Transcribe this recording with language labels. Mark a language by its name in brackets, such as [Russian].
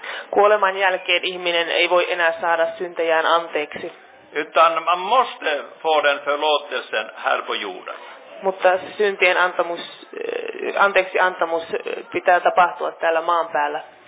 [Finnish] Kuoleman jälkeen ihminen ei voi enää saada syntejään anteeksi. [Swedish] Utan man måste få den förlåtelsen här på jorden. [Finnish] Mutta syntien anteeksiantamus pitää tapahtua täällä maan päällä.